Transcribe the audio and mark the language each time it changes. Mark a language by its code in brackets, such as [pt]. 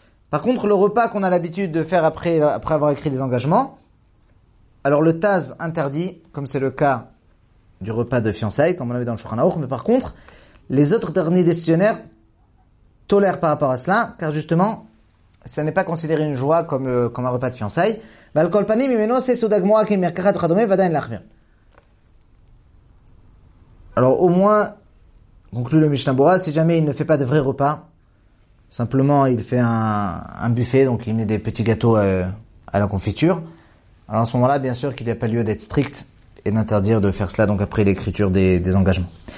[fr] Par contre, le repas qu'on a l'habitude de faire après avoir écrit les engagements, alors le taz interdit, comme c'est le cas du repas de fiançailles, comme on l'avait dans le Shulchan Aruch, mais par contre, les autres derniers décisionnaires tolèrent par rapport à cela, car justement, ça n'est pas considéré une joie comme un repas de fiançailles. [he] ועל כל פנים, אם אינו עושה סעודה גמורה כמרקחת וכדומה, ודאי אין להחמיר. [fr] Alors, au moins, conclut le Mishnah Berurah, si jamais il ne fait pas de vrai repas, Simplement, il fait un buffet, donc il met des petits gâteaux à la confiture. Alors, à ce moment-là, bien sûr qu'il n'y a pas lieu d'être strict et d'interdire de faire cela, donc après l'écriture des engagements.